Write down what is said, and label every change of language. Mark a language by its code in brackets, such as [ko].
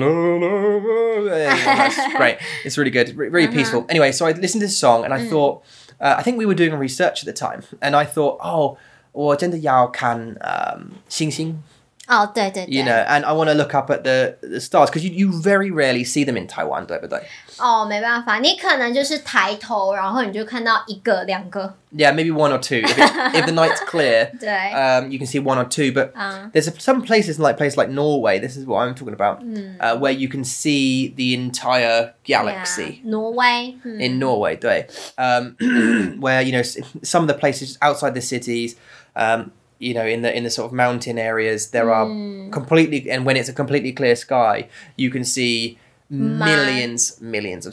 [en] Great. It's really good. Really peaceful. Anyway, so I listened to this song and I thought, I think we were doing research at the time. And I thought, oh, well, [zh] 我真的要看 星星. Oh, 对对对. [en] You know, and I want to look up at the stars because you very rarely see them in Taiwan, [zh] 对不对? Oh, 没办法,你可能就是抬头,然后你就看到一个,两个. [en] Yeah, maybe one or two. If the night's clear, you can see one or two. But there's some places like Norway, this is what I'm talking about, where you can see the entire galaxy. Yeah, Norway. In Norway, 对. where, you know, some of the places outside the cities, you know, in the sort of mountain areas, there are completely, and when it's a completely clear sky, you can see millions of